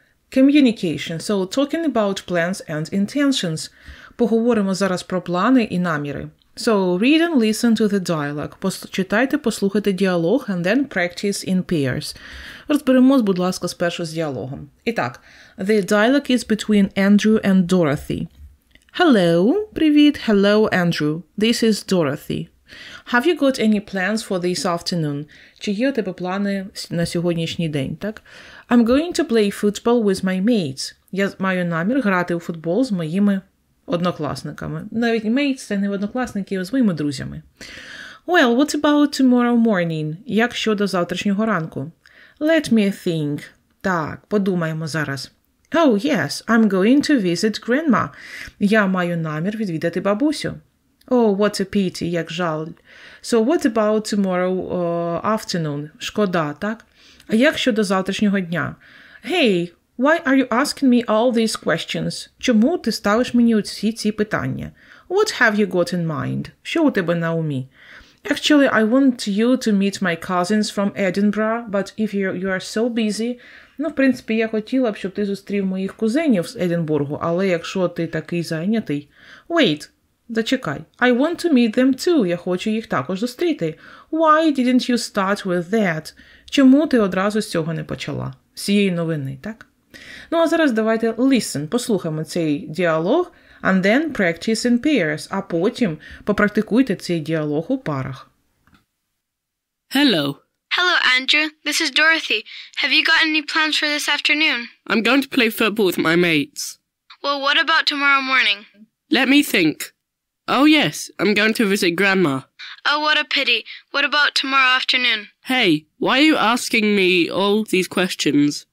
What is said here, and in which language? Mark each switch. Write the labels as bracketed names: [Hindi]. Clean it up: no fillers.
[English] Communication. So, talking about plans and intentions. [Ukrainian] Поговоримо зараз про плани і наміри. [English] So, read and listen to the dialogue. [Ukrainian] Читайте, послухайте діалог, [English] and then practice in pairs. [Ukrainian] Розберемось, будь ласка, спершу з діалогом. І так, [English] the dialogue is between Andrew and Dorothy. Hello. [Ukrainian] Привіт. [English] Hello, Andrew. This is Dorothy. Have you got any plans for this afternoon? [Ukrainian] Чи є у тебе плани на сьогоднішній день, так? [English] I'm going to play football with my mates. [Ukrainian] Я маю намір грати у футбол з моїми однокласниками. Навіть mates – це не однокласники, а з моїми друзями. [English] Well, what about tomorrow morning? [Ukrainian] Як щодо завтрашнього ранку? [English] Let me think. [Ukrainian] Так, подумаємо зараз. [English] Oh, yes, I'm going to visit grandma. [Ukrainian] Я маю намір відвідати бабусю. [English] Oh, what a pity, [Ukrainian] як жаль. [English] So, what about tomorrow afternoon? [Ukrainian] Шкода, так? А як щодо завтрашнього дня? [English] Hey, why are you asking me all these questions? [Ukrainian] Чому ти ставиш мені усі ці питання? [English] What have you got in mind? [Ukrainian] Що у тебе на умі? [English] Actually, I want you to meet my cousins from Edinburgh, but if you are so busy... [Ukrainian] Ну, в принципі, я хотіла б, щоб ти зустрів моїх кузенів з Единбургу, але якщо ти такий зайнятий... [English] Wait! [Ukrainian] Зачекай. [English] I want to meet them too. [Ukrainian] Я хочу їх також зустріти. [English] Why didn't you start with that? [Ukrainian] Чому ти одразу з цього не почала? З цієї новини, так? Ну, а зараз давайте listen. Послухаємо цей діалог. [English] And then practice in pairs. [Ukrainian] А потім попрактикуйте цей діалог у парах. [English] Hello. Hello, Andrew. This is Dorothy. Have you got any plans for this afternoon? I'm going to play football with my mates. Well, what about tomorrow morning? Let me think. Oh, yes. I'm going to visit Grandma. Oh, what a pity. What about tomorrow afternoon? Hey, why are you asking me all these questions?